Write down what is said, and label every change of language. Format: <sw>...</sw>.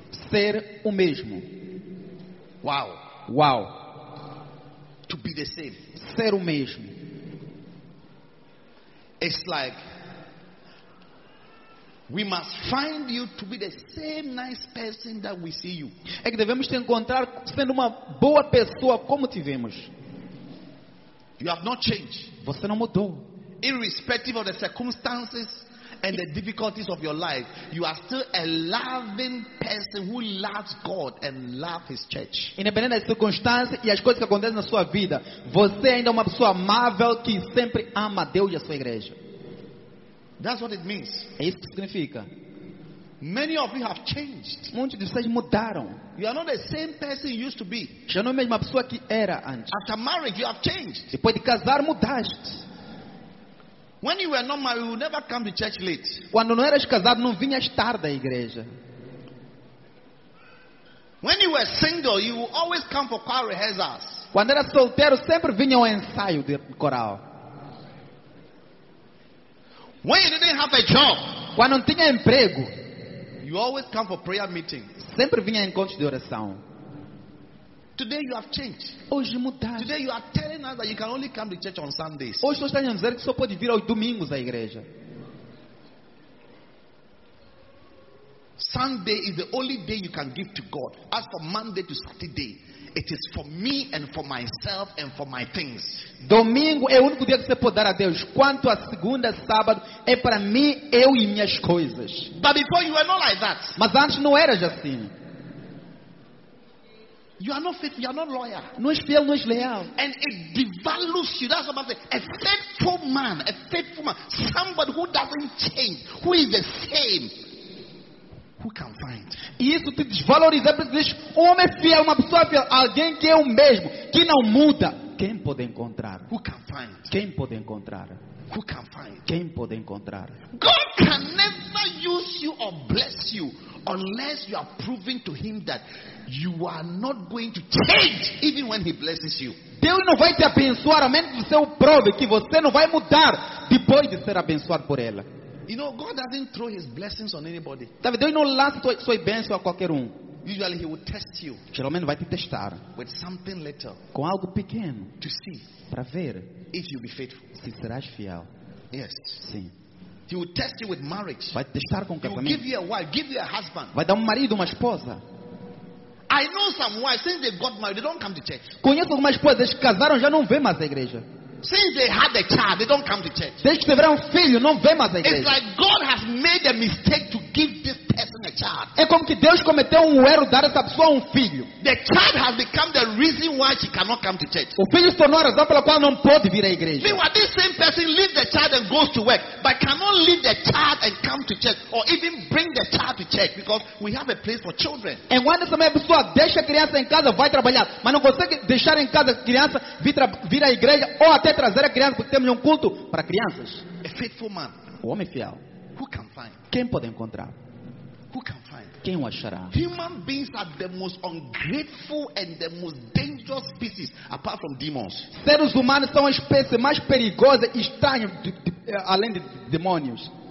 <pt>Ser o mesmo. Wow. Wow.</pt> <en>To be the same.</en> <pt>Ser o mesmo.</pt> <en>It's like we must find you to be the same nice person that we see you.</en> <pt>É que devemos te encontrar sendo uma boa pessoa como te vemos.</pt> <en>You have not changed.</en> <pt>Você não mudou.</pt> <en>Irrespective of the circumstances and the difficulties of your life, you are still a loving person who loves God and loves His church.</en> <pt>Independente das circunstâncias e as coisas que acontecem na sua vida, você ainda é uma pessoa amável que sempre ama Deus e a sua igreja.</pt> <en>That's what it means.</en> <pt>É isso que significa.</pt> <en>Many of you have changed.</en> <pt>Muitos de vocês mudaram.</pt> <en>You are not the same person you used to be.</en> <pt>Já não é a mesma pessoa que era antes.</pt> <en>After marriage, you have changed.</en> <pt>Depois de casar, mudaste.</pt> <en>When you were not married, you would never come to church late.</en> <pt>Quando não eras casado, não vinhas tarde à igreja.</pt> <en>When you were single, you would always come for choir rehearsals.</en> <pt>Quando eras solteiro, sempre vinha ao ensaio de coral.</pt> <en>When you didn't have a job,</en> <pt>quando não tinha emprego,</pt> <en>you always come for prayer meetings.</en> <pt>Sempre vinha a encontros de oração.</pt> <en>Today you have changed.</en> <pt>Hoje mudaste.</pt> <en>Today you are telling us that you can only come to church on Sundays.</en> <pt>Hoje você está nos dizendo que só pode vir aos domingos à igreja.</pt> <en>Sunday is the only day you can give to God. As from Monday to Saturday, it is for me and for myself and for my things.</en> <pt>Domingo é o único dia que você pode dar a Deus. Quanto a segunda, sábado, é para mim, eu e minhas coisas.</pt> <en>But before you were not like that.</en> <pt>Mas antes não era assim.</pt> <en>You are not faithful, you are not loyal.</en> <pt>Não é fiel, não é leal.</pt> <en>And it devalues you. That's what I'm saying. A faithful man, somebody who doesn't change, who is the same. Who can find?</en> <pt>E isso te desvaloriza, porque diz, homem fiel, uma pessoa fiel, alguém que é o mesmo, que não muda. Quem pode encontrar?</pt> <en>Who can find?</en> <pt>Quem pode encontrar?</pt> <en>Who can find?</en> <pt>Quem pode encontrar?</pt> <en>God can never use you or bless you unless you are proving to him that you are not going to change even when he blesses you.</en> <pt>Deus não vai te abençoar a menos que você o prove que você não vai mudar depois de ser abençoado por ela.</pt> <en>You know, God doesn't throw his blessings on anybody.</en> <pt>Deus não lança suas bênçãos a qualquer um.</pt> <en>Usually he will test you.</en> <pt>Geralmente vai te testar.</pt> <en>With something little.</en> <pt>Com algo pequeno.</pt> <en>To see.</en> <pt>Para ver.</pt> <en>If you be faithful.</en> <pt>Se serás fiel.</pt> <en>Yes.</en> <pt>Sim.</pt> <en>He will test you with marriage.</en> <pt>Vai te testar com casamento.</pt> <en>He will give you a wife, give you a husband.</en> <pt>Vai dar marido, uma esposa.</pt> <en>I know some wives, since they got married, they don't come to church.</en> <pt>Conheço algumas esposas, eles casaram, já não vêm mais à igreja.</pt> <en>Since they had a child, they don't come to church.</en> <pt>Desde que tiveram filho, não vêm mais à igreja.</pt> <en>It's like God has made a mistake to give this person a child.</en> <pt>É como que Deus cometeu erro dar essa pessoa filho.</pt> <en>The child has become the reason why she cannot come to church.</en> <pt>O filho se tornou a razão pela qual não pode vir à igreja.</pt> <en>Meanwhile, this same person leaves the child and goes to work, but cannot leave the child and come to church, or even bring the child to church, because we have a place for children.</en> <pt>E quando essa mesma pessoa deixa a criança em casa, vai trabalhar, mas não consegue deixar em casa a criança vir à igreja, ou até trazer a criança, porque temos culto para crianças.</pt> <en>A faithful man.</en> <pt>O homem fiel.</pt> <en>Who can find?</en> <pt>Quem pode encontrar?</pt> <en>Who can find?</en> <pt>Quem o achará?</pt> <en>Human beings are the most ungrateful and the most dangerous species, apart from demons.</en> <pt>Seres humanos são a espécie mais perigosa e estranha, além de demônios.</pt>